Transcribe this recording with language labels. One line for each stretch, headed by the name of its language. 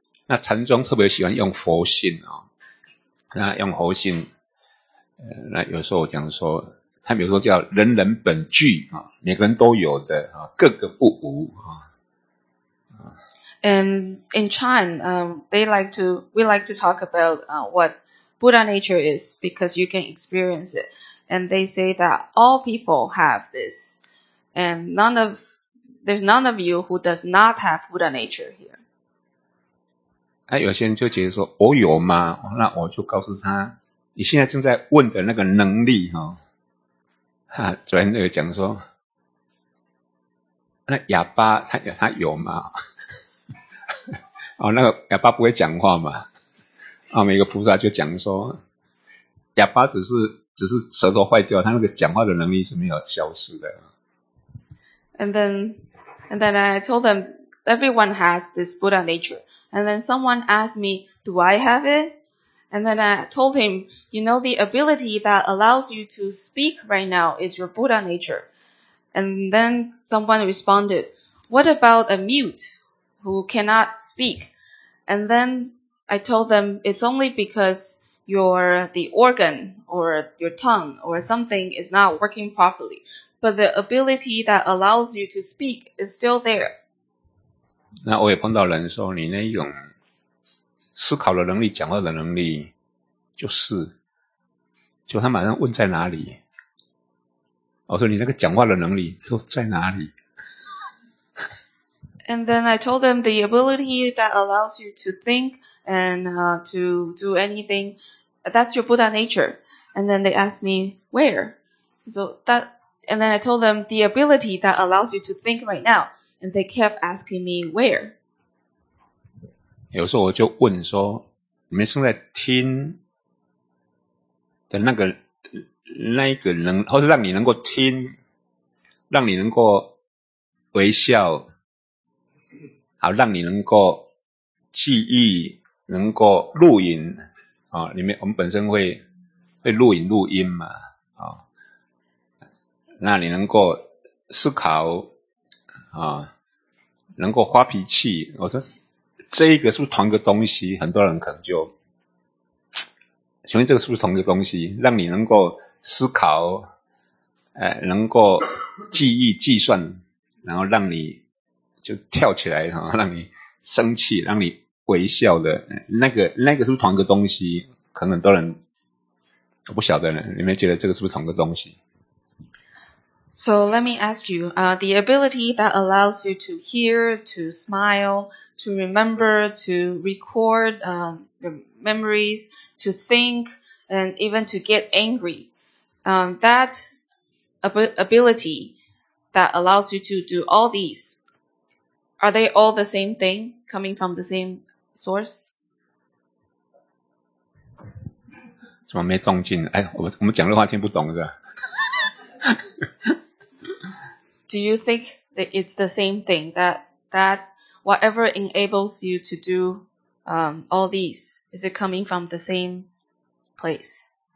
Chinese: 那禅宗特别喜欢用佛性啊、哦，那用佛性，那有时候我讲说，他比如说叫人人本具啊，每个人都有的啊，个个不无啊。
English: And in China, we like to talk about what Buddha nature is because you can experience it. And they say that all people have this, and there's none of you who does not have Buddha nature here.
Chinese: 啊、有些人就觉得说我有吗，那我就告诉他你现在正在问的那个能力、哦啊、昨天那个讲说那哑巴 他有吗、哦、那个哑巴不会讲话嘛、啊、每个菩萨就讲说哑巴只是舌头坏掉，他那个讲话的能力是没有消失的。
English: And then I told them everyone has this Buddha natureAnd then someone asked me, do I have it? And then I told him, you know, the ability that allows you to speak right now is your Buddha nature. And then someone responded, what about a mute who cannot speak? And then I told them, it's only because your the organ or your tongue or something is not working properly. But the ability that allows you to speak is still there.
Chinese: 那我也碰到人说你那种思考的能力讲话的能力就他马上问在哪里，我说你那个讲话的能力都在哪里。
English: And then I told them the ability that allows you to think and to do anything, that's your Buddha nature. And then they asked me where. So that, and then I told them the ability that allows you to think right nowAnd they kept asking me where.
Chinese: 有时候我就问说，你们正在听的那个能，或是让你能够听，让你能够微笑，好，让你能够记忆，能够录影啊、哦。我们本身会录影录音嘛，啊、哦，那你能够思考啊。哦能够发脾气，我说这一个是不是同一个东西？很多人可能就请问这个是不是同一个东西？让你能够思考，能够记忆计算，然后让你就跳起来，然后让你生气，让你微笑的那个是不是同一个东西？可能很多人我不晓得了，你们觉得这个是不是同一个东西？
English: So let me ask you, the ability that allows you to hear, to smile, to remember, to record your memories, to think, and even to get angry, that ability that allows you to do all these, are they all the same thing coming from the same source?
Chinese: 怎么没中进？哎，我们讲的话听不懂是吧？
English: Do you think that it's the same thing, that whatever enables you to do all these, is it coming from the same place?